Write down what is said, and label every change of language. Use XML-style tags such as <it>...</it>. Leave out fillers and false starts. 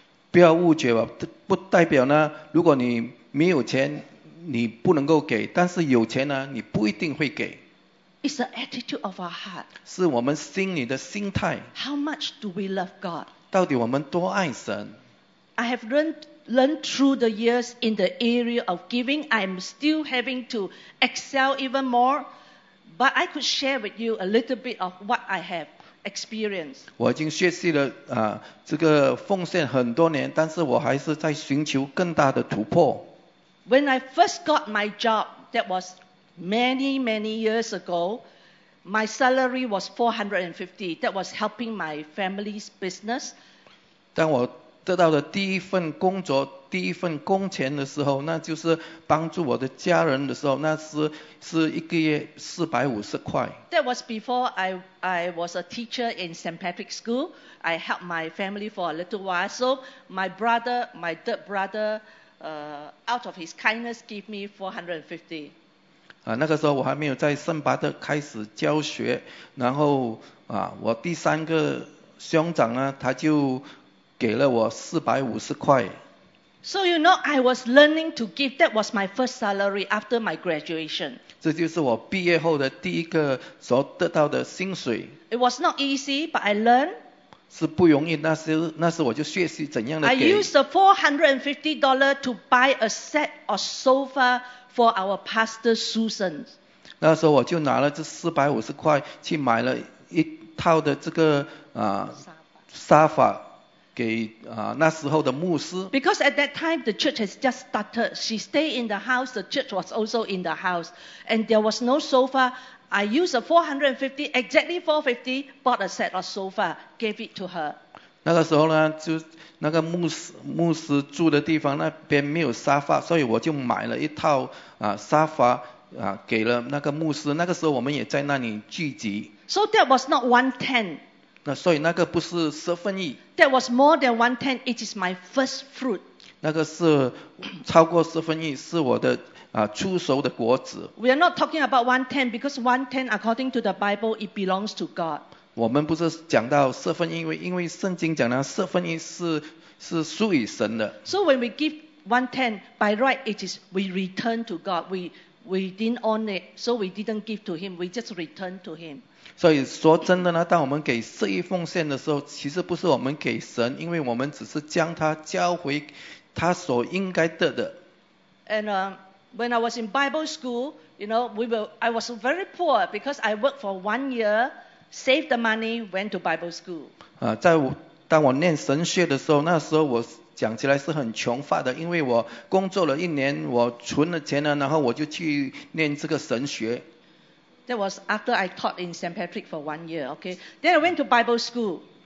<zh>不要误解吧，不代表呢，如果你没有钱，你不能够给；但是有钱呢，你不一定会给。</zh> <en>It's the attitude of our heart.</en> <zh>是我们心里的心态。</zh> <en>How much do we love God?</en> <zh>到底我们多爱神</zh> <en>？I have learned through the years in the area of giving. I'm still having to excel even more, but I could share with you a little bit of what I have. Experience.</en> <zh>我已经学习了这个奉献很多年，但是我还是在寻求更大的突破。</zh> <en>When I first got my job, that was many, many years ago, My salary was 450. That was helping my family's business.</en> <zh>当我得到的第一份工作，第一份工钱的时候，那就是帮助我的家人的时候，那是一个月450块。</zh> <en>That was before I was a teacher in St. Patrick's School. I helped my family for a little while. So my brother, my third brother, out of his kindness, gave me 450.</en> <zh>那个时候我还没有在圣巴特开始教学，然后我第三个兄长呢，他就给了我450块。</zh> <en>So you know, I was learning to give. That was my first salary after my graduation.</en> <zh>这就是我毕业后的第一个所得到的薪水。</zh> <en>It was not easy, but I learned.</en> <zh>是不容易，那时我就学习怎样的给。</zh> <en>I used the $450 to buy a set of sofa. For our pastor Susan.</en> <zh>那时候我就拿了这450块去买了一套的这个沙发给那时候的牧师。</zh> <en>Because at that time the church has just started. She stayed in the house. The church was also in the house. And there was no sofa. I used a 450, exactly 450, bought a set of sofa, gave it to her.</en> <zh>那个时候呢，就那个牧师住的地方那边没有沙发，所以我就买了一套沙发给了那个牧师。那个时候我们也在那里聚集。</zh> <en>So that was not one tenth.</en> <zh>那所以那个不是十分一。</zh> <en>That was more than one tenth. It is my first fruit.</en> <zh>那个是超过十分一，是我的初熟的果子。</zh> <en>We are not talking about one tenth because one tenth according to the Bible it belongs to God.</en> <zh>我们不是讲到十分一，因为圣经讲到十分一是属于神的。</zh> <en>So when we give one tenth, by right it is we return to God. We didn't own it, so we didn't give to Him. We just return to Him.</en> <zh>所以说真的呢，当我们给十一奉献的时候，其实不是我们给神，因为我们只是将它交回他所应该得的。</zh> <en>And when I was in Bible school, you know, I was very poor because I worked for 1 year. Save the money, went to Bible school.</en> <zh>当我念神学的时候，那时候我讲起来是很穷乏的，因为我工作了一年，我存了钱了，然后我就去念这个神学。</zh> <en>That was after I taught in St. Patrick for 1 year, okay? Then I went to Bible school.</en>